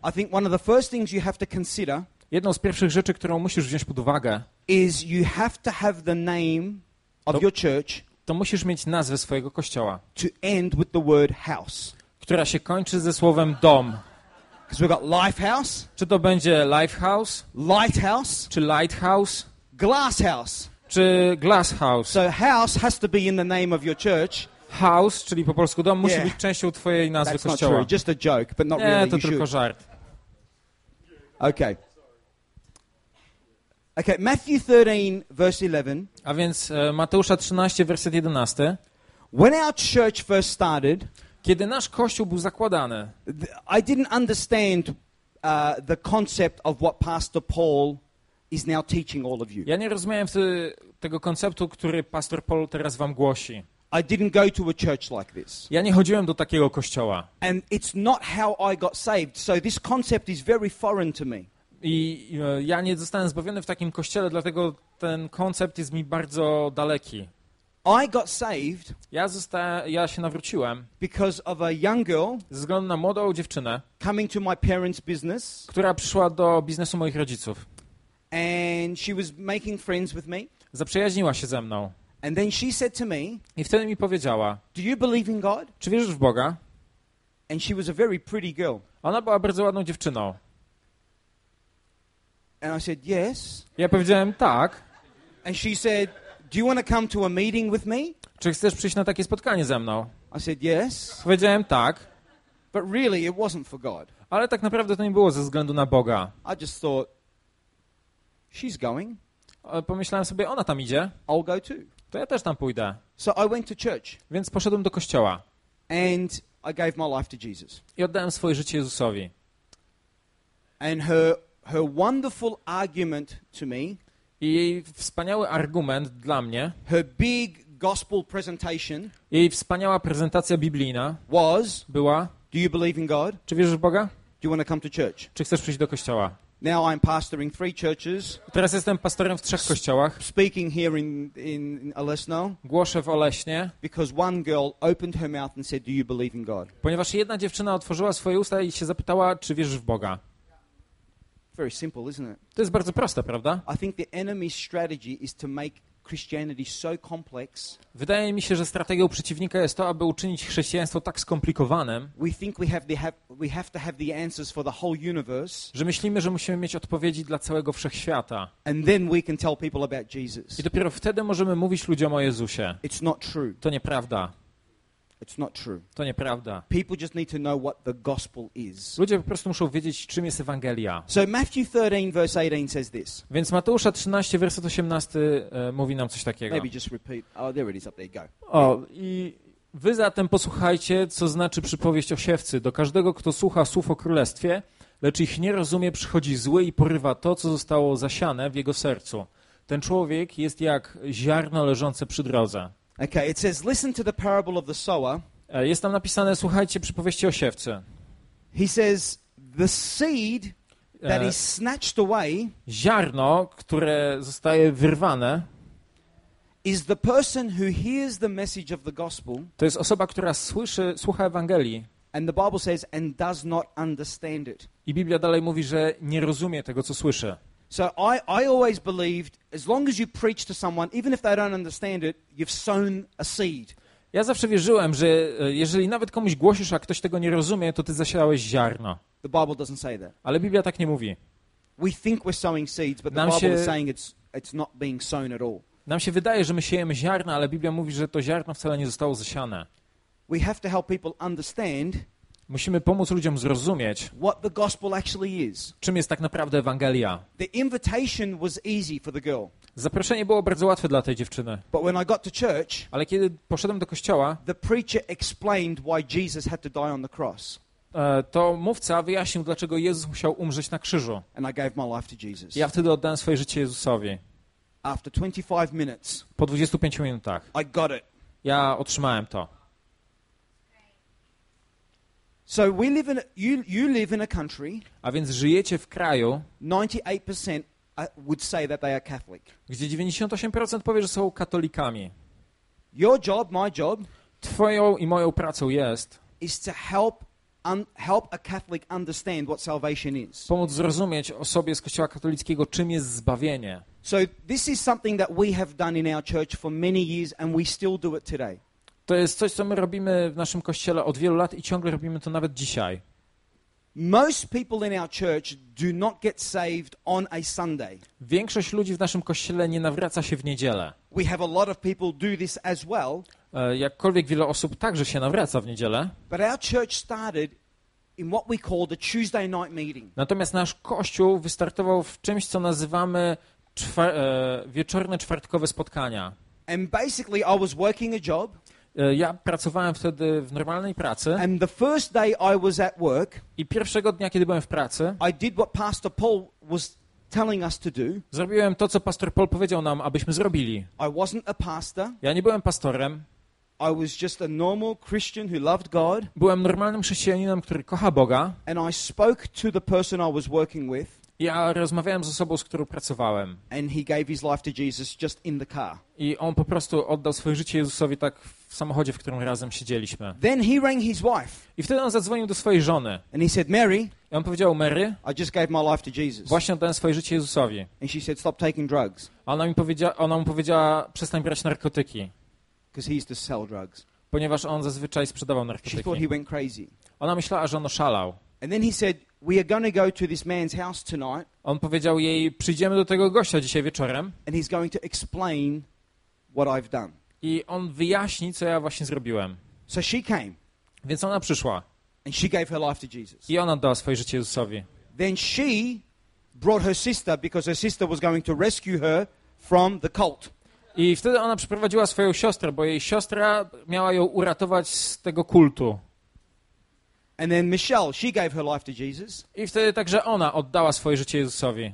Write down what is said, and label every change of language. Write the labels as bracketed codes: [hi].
[en] I think one of the first things you have to consider. [pl] Jedną z pierwszych rzeczy, którą musisz wziąć pod uwagę, [en] is you have to have the name of your church. [pl] To musisz mieć nazwę swojego kościoła. [en] To end with the word house. [pl] Która się kończy ze słowem dom. [en] Because we've got life house. [pl] Czy to będzie life house? [en] Lighthouse. [pl] Czy lighthouse? [en] Glass house. [pl] Czy glass house? [en] So house has to be in the name of your church. [pl] House, czyli po polsku dom, musi być częścią twojej nazwy [en] That's [pl] kościoła. [en] Not just a joke, but not [pl] nie, [en] really. [pl] To you tylko żart. [en] Okay. Okay, Matthew 13, verse 11. [pl] A więc Mateusza 13, werset 11. [en] When our church first started, [pl] kiedy nasz kościół był zakładany, [en] I didn't understand the concept of what Pastor Paul is now teaching all of you. [pl] Ja nie rozumiałem tego konceptu, który Pastor Paul teraz wam głosi. [en] I didn't go to a church like this. [pl] Ja nie chodziłem do takiego kościoła. [en] And it's not how I got saved, so this concept is very foreign to me. [pl] I ja nie zostałem zbawiony w takim kościele, dlatego ten koncept jest mi bardzo daleki. [en] I got saved. [pl] Ja się nawróciłem. [en] Because of a young girl. [pl] Ze względu na młodą dziewczynę. [en] Coming to my parents' business. [pl] Która przyszła do biznesu moich rodziców. [en] And she was making friends with me. [pl] Zaprzyjaźniła się ze mną. [en] And then she said to me. [pl] I wtedy mi powiedziała. [en] Do you believe in God? [pl] Czy wierzysz w Boga? [en] And she was a very pretty girl. [pl] Ona była bardzo ładną dziewczyną. [en] And I said yes. [pl] Ja powiedziałem tak. [en] And she said, do you want to come to a meeting with me? [pl] Czy chcesz przyjść na takie spotkanie ze mną? [en] I said yes. [pl] Powiedziałem tak. [en] But really, it wasn't for God. [pl] Ale tak naprawdę to nie było ze względu na Boga. [en] I just thought she's going. [pl] Pomyślałem sobie, ona tam idzie. [en] I'll go too. [pl] To ja też tam pójdę. [en] So I went to church. [pl] Więc poszedłem do kościoła. [en] And I gave my life to Jesus. [pl] I oddałem swoje życie Jezusowi. [en] And her wonderful argument to me. [pl] I jej wspaniały argument dla mnie. [en] Her big gospel presentation. [pl] Jej wspaniała prezentacja biblijna. [en] Was. [pl] Była. [en] Do you believe in God? [pl] Czy wierzysz w Boga? [en] Do you want to come to church? [pl] Czy chcesz przyjść do kościoła? [en] Now I'm pastoring three churches. [pl] Teraz jestem pastorem w trzech kościołach. [en] Speaking here in Olesno. [pl] Głoszę w Olesznie. [en] Because one girl opened her mouth and said, "Do you believe in God?" [pl] Ponieważ jedna dziewczyna otworzyła swoje usta i się zapytała, czy wierzysz w Boga. [en] Very simple, isn't it? [pl] To jest bardzo proste, prawda? [en] I think the enemy's strategy is to make Christianity so complex. [pl] Wydaje mi się, że strategią przeciwnika jest to, aby uczynić chrześcijaństwo tak skomplikowanym. [en] We think we have to have the answers for the whole universe. [pl] Że myślimy, że musimy mieć odpowiedzi dla całego wszechświata. [en] And then we can tell people about Jesus. [pl] I dopiero wtedy możemy mówić ludziom o Jezusie. [en] It's not true. [pl] To nieprawda. [en] It's not true. [pl] To nieprawda. [en] People just need to know what the gospel is. [pl] Ludzie po prostu muszą wiedzieć, czym jest Ewangelia. [en] So Matthew 13 verse 18 says this. [pl] Więc Mateusza 13 werset 18 mówi nam coś takiego. [en] Maybe just repeat. Oh, there it is up there. Go. [pl] O, i wy zatem posłuchajcie, co znaczy przypowieść o siewcy. Do każdego, kto słucha słów o królestwie, lecz ich nie rozumie, przychodzi zły i porywa to, co zostało zasiane w jego sercu. Ten człowiek jest jak ziarno leżące przy drodze. [en] Okay, it says listen to the parable of the sower. [pl] Jest tam napisane, słuchajcie przypowieści o siewcy. [en] He says the seed that is snatched away, [pl] ziarno, które zostaje wyrwane, [en] is the person who hears the message of the gospel. [pl] To jest osoba, która słucha Ewangelii. [en] And the Bible says and does not understand it. [pl] I Biblia dalej mówi, że nie rozumie tego, co słyszy. [en] So I always believed as long as you preach to someone even if they don't understand it you've sown a seed. [pl] Ja zawsze wierzyłem, że jeżeli nawet komuś głosisz, a ktoś tego nie rozumie, to ty zasiałeś ziarno. [en] The Bible doesn't say that. [pl] Ale Biblia tak nie mówi. [en] We think we're sowing seeds but [pl] nam [en] the Bible [pl] się... [en] is saying it's not being sown at all. [pl] Nam się wydaje, że my siejemy ziarno, ale Biblia mówi, że to ziarno wcale nie zostało zasiane. [en] We have to help people understand. [pl] Musimy pomóc ludziom zrozumieć, [en] what the gospel actually is. [pl] Czym jest tak naprawdę Ewangelia. [en] The invitation was easy for the girl. [pl] Zaproszenie było bardzo łatwe dla tej dziewczyny. [en] But when I got to church, [pl] ale kiedy poszedłem do kościoła, [en] the preacher explained why Jesus had to die on the cross. [pl] To mówca wyjaśnił, dlaczego Jezus musiał umrzeć na krzyżu. [en] And I gave my life to Jesus. [pl] Ja wtedy oddałem swoje życie Jezusowi. [en] After 25 minutes, [pl] po 25 minutach [en] I got it. [pl] Ja otrzymałem to. [en] So we live in you live in a country. [pl] A więc żyjecie w kraju. [en] 98% would say that they are Catholic. [pl] Gdzie 98% powie, że są katolikami. [en] Your job, my job. [pl] Twoją i moją pracą jest [en] is to help help a Catholic understand what salvation is. [pl] Pomóc zrozumieć osobie z Kościoła katolickiego, czym jest zbawienie. [en] So this is something that we have done in our church for many years and we still do it today. [pl] To jest coś, co my robimy w naszym kościele od wielu lat i ciągle robimy to nawet dzisiaj. [en] Most people in our church do not get saved on a Sunday. [pl] Większość ludzi w naszym kościele nie nawraca się w niedzielę. [en] We have a lot of people do this as well. [pl] Jakkolwiek wiele osób także się nawraca w niedzielę. [en] But our church started in what we call the Tuesday night meeting. [pl] Natomiast nasz kościół wystartował w czymś, co nazywamy wieczorne czwartkowe spotkania. [en] And basically I was working a job. [pl] Ja pracowałem wtedy w normalnej pracy. [en] And the first day I was at work, [pl] i pierwszego dnia, kiedy byłem w pracy, [en] I did what Pastor Paul was telling us to do. [pl] Zrobiłem to, co Pastor Paul powiedział nam, abyśmy zrobili. [en] I wasn't a pastor. [pl] Ja nie byłem pastorem. [en] I was just a normal Christian who loved God. [pl] Byłem normalnym chrześcijaninem, który kocha Boga. [en] And I spoke to the person I was working with. [pl] Ja rozmawiałem z osobą, z którą pracowałem. [en] And he gave his life to Jesus just in the car. [pl] I on po prostu oddał swoje życie Jezusowi tak w samochodzie, w którym razem siedzieliśmy. [en] Then he rang his wife. [pl] I wtedy on zadzwonił do swojej żony. [en] And he said, Mary, [pl] i on powiedział, Mary, [en] I just gave my life to Jesus. [pl] Właśnie oddałem swoje życie Jezusowi. [en] And she said, stop taking drugs. [pl] Ona mu powiedziała, przestań brać narkotyki. [en] Because he used to sell drugs. [pl] Ponieważ on zazwyczaj sprzedawał narkotyki. [en] She thought he went crazy. [pl] Ona myślała, że on oszalał. [en] And then he said, we are going to go to this man's house tonight. [pl] On powiedział jej, przyjdziemy do tego gościa dzisiaj wieczorem. [en] And he's going to explain what I've done. [pl] I on wyjaśni, co ja właśnie zrobiłem. [en] So she came. [pl] Więc ona przyszła. [en] And she gave her life to Jesus. [pl] I ona oddała swoje życie Jezusowi. [en] Then she brought her sister because her sister was going to rescue her from the cult. [pl] I wtedy ona przyprowadziła swoją siostrę, bo jej siostra miała ją uratować z tego kultu. [en] And then Michelle, she gave her life to Jesus. [pl] I wtedy także ona oddała swoje życie Jezusowi.